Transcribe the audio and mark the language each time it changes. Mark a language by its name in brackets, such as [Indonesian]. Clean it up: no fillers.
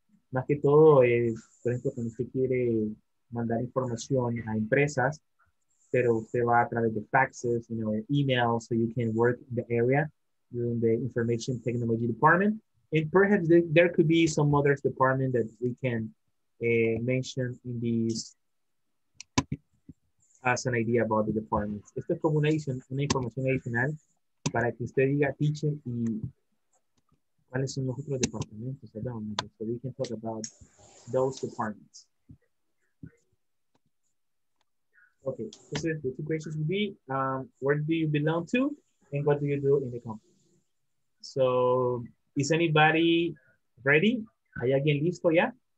[Spanish] Más que todo, por ejemplo, cuando usted quiere mandar información a empresas, pero usted va a través de faxes, [English] you know, emails, so you can work in the area during the information technology department. And perhaps there could be some other department that we can mention in these as an idea about the departments. [Spanish] Esto es como una información adicional para que usted diga, teacher, y cuáles son los otros departamentos. [English] I don't know, so we can talk about those departments. Okay, this is the two questions would be, where do you belong to and what do you do in the company? So, is anybody ready? [Spanish] ¿Hay alguien listo ya?